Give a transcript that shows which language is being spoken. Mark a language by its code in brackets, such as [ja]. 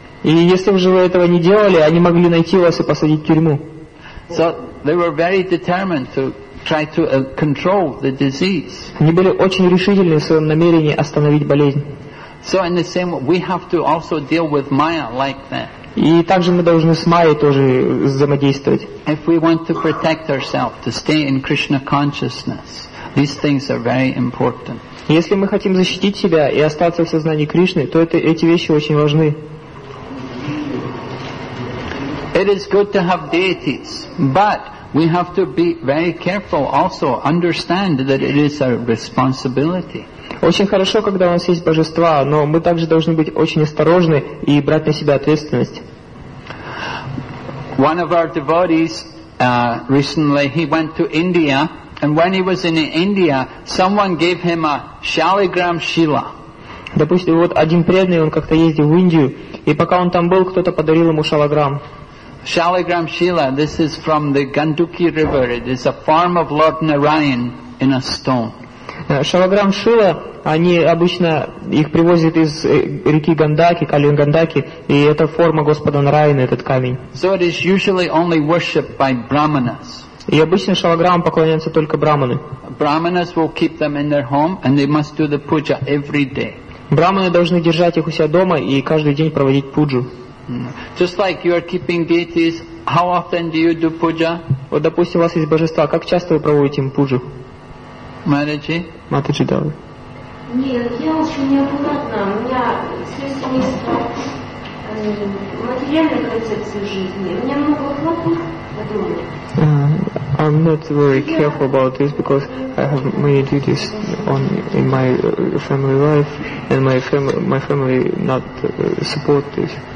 [ru] И если же вы этого не делали, они могли найти вас и посадить в тюрьму. [en] So they were very determined to try to control the disease. [ru] Они были очень решительны в своем намерении остановить болезнь. [en] So in the same way, we have to also deal with Maya like that. [ru] И также мы должны с Майей тоже взаимодействовать. [en] If we want to protect ourselves, to stay in Krishna consciousness, these things are very important. [ru] Если мы хотим защитить себя и остаться в сознании Кришны, то эти вещи очень важны. [en] It is good to have deities, but we have to be very careful also, understand that it is our responsibility. [ru] Очень хорошо, когда у нас есть божества, но мы также должны быть очень осторожны и брать на себя ответственность. [en] One of our devotees recently, he went to India, and when he was in India, someone gave him a shaligram shila. [ru] Допустим, вот один преданный, он как-то ездил в Индию, и пока он там был, кто-то подарил ему шалограмм. [en] Shaligram shila, this is from the Ganduki river. It is a form of Lord Narayan in a stone. [ru] Шалограмм шила, они обычно их привозят из реки Гандаки, Калин Гандаки, и это форма Господа Нараяны, этот камень. [en] So it is usually only worshipped by brahmanas. [ru] И обычно шалограмм поклоняются только брахманы. [en] Brahmanas will keep them in their home, and they must do the puja every day. [ru] Брахманы должны держать их у себя дома и каждый день проводить пуджу. [en] Just like you are keeping deities, how often do you do puja? [ru] Вот допустим, у вас есть божества, как часто вы проводите им пуджу? Матаджи? Матаджи, да. Нет, я очень неаккуратна. У меня слишком низкая материальная концепция жизни. У меня много хлопот, подумай. [en] I'm not very careful about this because I have many duties on in my family life and my family not support this.